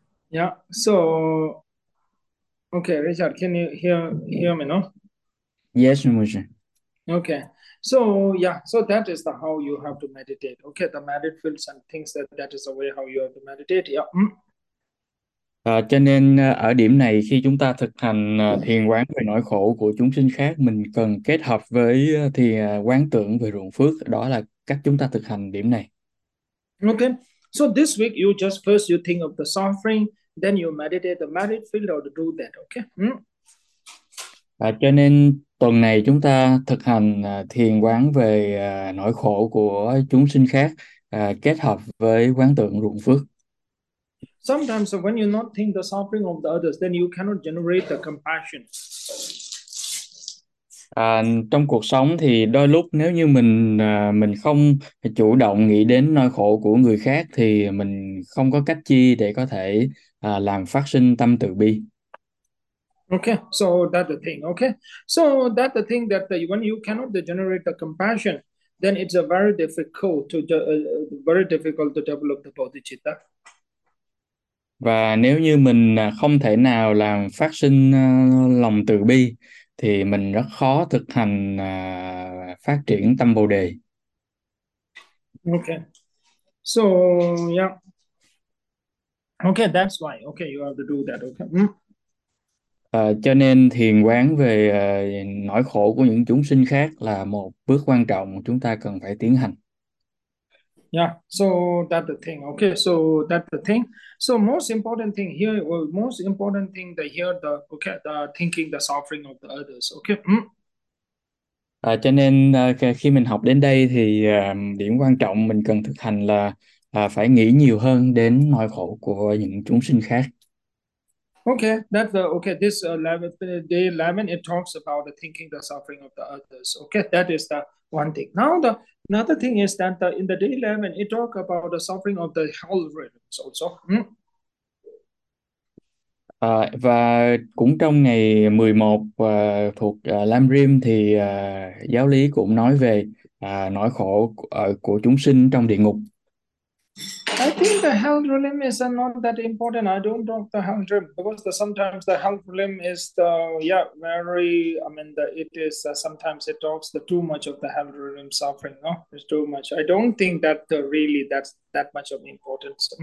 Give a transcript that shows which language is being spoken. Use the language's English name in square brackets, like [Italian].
[English] Yeah, so okay, Richard, can you hear me now? Yes, Okay, so yeah, so that is the how you have to meditate. Okay, the merit fields and things that is the way how you have to meditate. Yeah. [Vietnamese] cho nên ở điểm này khi chúng ta thực hành thiền quán về nỗi khổ của chúng sinh khác, mình cần kết hợp với thiền quán tưởng về ruộng phước. Đó là cách chúng ta thực hành điểm này. [English] Okay, so this week you just first you think of the suffering, then you meditate the merit field or do that. Okay. [Vietnamese] Cho nên tuần này chúng ta thực hành thiền quán về nỗi khổ của chúng sinh khác, kết hợp với quán tượng Ruộng Phước. [English] Sometimes when you not think the suffering of the others, then you cannot generate the compassion. [Vietnamese] Trong cuộc sống thì đôi lúc nếu như mình không chủ động nghĩ đến nỗi khổ của người khác thì mình không có cách chi để có thể làm phát sinh tâm từ bi. [English] Okay, so that's the thing. Okay, so that's the thing that when you cannot generate the compassion, then it's a very difficult to very difficult to develop the bodhicitta. [Vietnamese] Và nếu như mình không thể nào làm phát sinh lòng từ bi thì mình rất khó thực hành phát triển tâm Bồ đề. [English] Okay, so yeah. Okay, that's why. Okay, you have to do that. Okay. [Vietnamese] Cho nên thiền quán về nỗi khổ của những chúng sinh khác là một bước quan trọng chúng ta cần phải tiến hành. [English] Yeah, so that's the thing. Okay, so that's the thing. So most important thing here, well, most important thing that here, the thinking, the suffering of the others. Okay. [Vietnamese] Cho nên khi mình học đến đây thì điểm quan trọng mình cần thực hành là phải nghĩ nhiều hơn đến nỗi khổ của những chúng sinh khác. [English] Okay, that's okay. This 11, day 11, it talks about the thinking, the suffering of the others. Okay, that is the one thing. Now the another thing is that in the day 11, it talk about the suffering of the whole realms also. [Vietnamese] Và cũng trong ngày 11 thuộc Lam Rim thì giáo lý cũng nói về nỗi khổ của chúng sinh trong địa ngục. [English] I think the hell realm is not that important. I don't talk the hell realm because sometimes the hell realm is the yeah very. I mean the it is sometimes it talks the too much of the hell realm suffering. No, it's too much. I don't think that really that's that much of importance.